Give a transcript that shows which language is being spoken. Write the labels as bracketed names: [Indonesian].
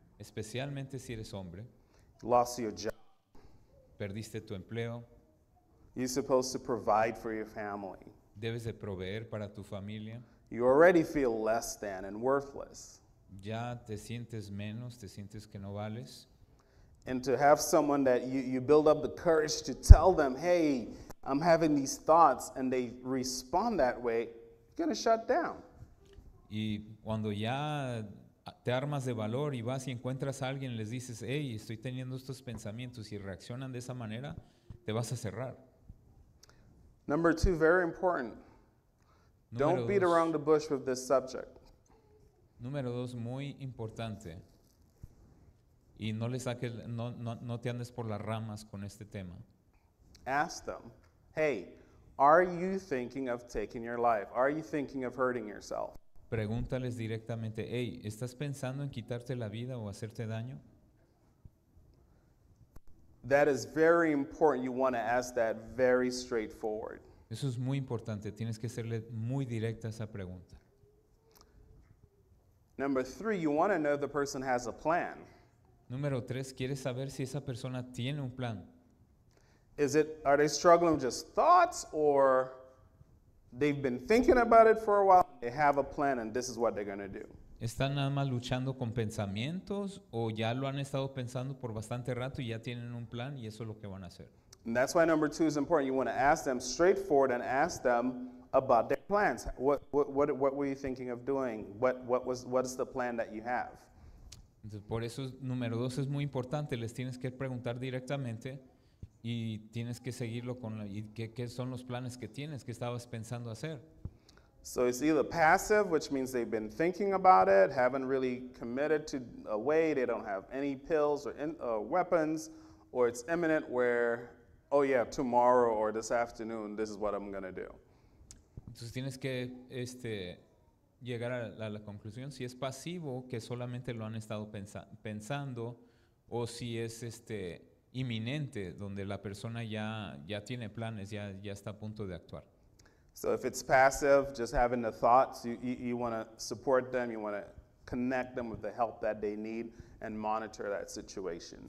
[Spanish] Especialmente si eres hombre. [English] Lost your job. [Spanish] Perdiste tu empleo. [English] You're supposed to provide for your family. [Spanish] Debes de proveer para tu familia. [English] You already feel less than and worthless. [Spanish] Ya te sientes menos, te sientes que no vales. [English] And to have someone that you build up the courage to tell them, hey, I'm having these thoughts, and they respond that way, you're going to shut down. [Spanish] Y cuando ya te armas de valor y vas y encuentras a alguien, les dices, hey, estoy teniendo estos pensamientos, y reaccionan de esa manera, te vas a cerrar. [English] Number two, very important. Don't beat around the bush with this subject. [Spanish] Número dos, muy importante. Y no le saques, no te andes por las ramas con este tema. [English] Ask them, hey, are you thinking of taking your life? Are you thinking of hurting yourself? [Spanish] Pregúntales directamente, hey, ¿estás pensando en quitarte la vida o hacerte daño? [English] That is very important. You want to ask that very straightforward. [Spanish] Eso es muy importante. Tienes que hacerle muy directa esa pregunta. [English] Number three, you want to know if the person has a plan. [Spanish] Número tres, quieres saber si esa persona tiene un plan. [English] Are they struggling with just thoughts, or they've been thinking about it for a while, they have a plan, and this is what they're going to do? [Spanish] ¿Están nada más luchando con pensamientos o ya lo han estado pensando por bastante rato y ya tienen un plan y eso es lo que van a hacer? [English] And that's why number two is important. You want to ask them straightforward and ask them about their plans. What were you thinking of doing? What is the plan that you have? [Spanish] Entonces, por eso número dos es muy importante. Les tienes que preguntar directamente y tienes que seguirlo con la, y qué son los planes que tienes, qué estabas pensando hacer. [English] So it's either passive, which means they've been thinking about it, haven't really committed to a way, they don't have any pills or weapons, or it's imminent where, oh yeah, tomorrow or this afternoon, this is what I'm going to do. [Spanish] Entonces tienes que llegar a la conclusión si es pasivo, que solamente lo han estado pensando, o si es inminente, donde la persona ya tiene planes, ya está a punto de actuar. [English] So if it's passive, just having the thoughts, you want to support them, you want to connect them with the help that they need and monitor that situation.